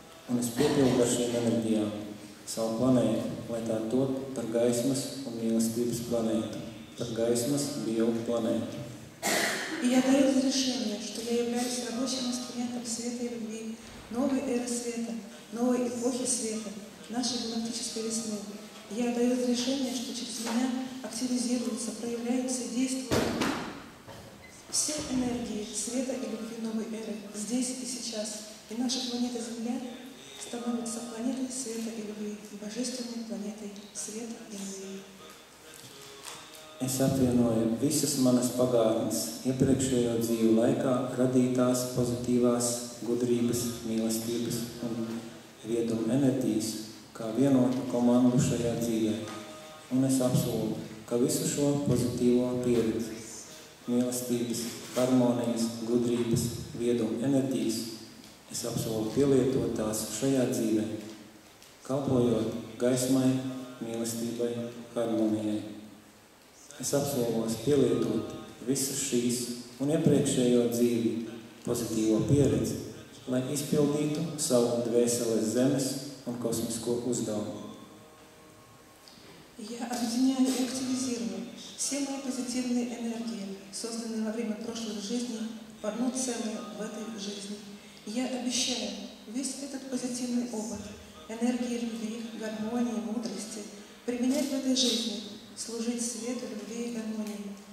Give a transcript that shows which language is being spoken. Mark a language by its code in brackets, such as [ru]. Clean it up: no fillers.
[lv] Un es piepildu ar šiem enerģijām savu planētu, lai tā top par gaismas un mīlestības planētu, par gaismas bioga planētu. [ru] Я даю разрешение, что я являюсь рабочим инструментом света и любви, новой эры света, новой эпохи света, нашей галактической весны. Я даю разрешение, что через меня активизируются, проявляются и действуют все энергии света и любви новой эры здесь и сейчас. И наша планета Земля становится планетой света и любви, и божественной планетой света и любви. [lv] Es apvienoju visas manas pagātnes iepriekšējo dzīvi laikā radītās pozitīvās gudrības, mīlestības un rietumu enerģijas kā vienotu komandu šajā dzīvē. Un es apsolu, ka visu šo pozitīvo pieredzi, mīlestības, harmonijas, gudrības, viedumu enerģijas, es apsolu pielietot tās šajā dzīvē, kalpojot gaismai, mīlestībai, harmonijai. Es apsolos pielietot visas šīs un iepriekšējo dzīvi pozitīvo pieredzi, lai izpildītu savu dvēseles Zemes un kosmisko uzdevumu. [ru] Я объединяю и активизирую все мои позитивные энергии, созданные во время прошлых жизней, в одну целую в этой жизни. Я обещаю весь этот позитивный опыт, энергии любви, гармонии, мудрости, применять в этой жизни, служить свету, любви и гармонии.